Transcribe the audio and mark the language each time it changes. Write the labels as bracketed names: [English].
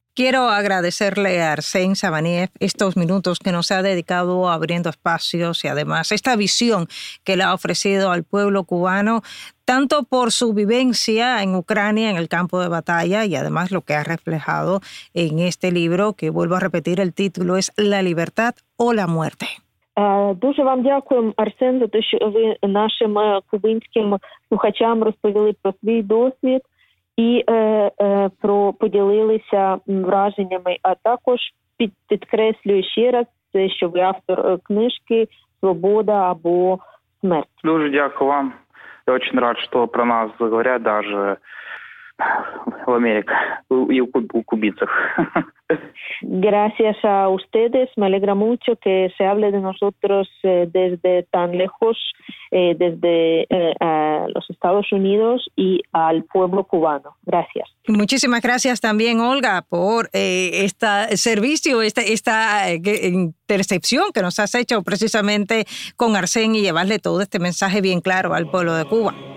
[Spanish] Quiero agradecerle a Arsène Sabaniev estos minutos que nos ha dedicado Abriendo Espacios y además esta visión que le ha ofrecido al pueblo cubano, tanto por su vivencia en Ucrania, en el campo de batalla, y además lo que ha reflejado en este libro, que vuelvo a repetir, el título es La libertad o la muerte. [Ukrainian] Дуже вам дякую, Арсен, за те, що ви нашим кубинським слухачам розповіли про свій досвід і про поділилися враженнями, а також підкреслюю ще раз, що ви автор книжки «Свобода або смерть». Дуже дякую вам. Я дуже радий, що про нас говорять даже в Америці і у кубинцях. [Spanish] Gracias a ustedes, me alegra mucho que se hable de nosotros desde tan lejos, desde los Estados Unidos y al pueblo cubano. Gracias. Muchísimas gracias también, Olga, por este servicio, esta intercepción que nos has hecho precisamente con Arsène y llevarle todo este mensaje bien claro al pueblo de Cuba.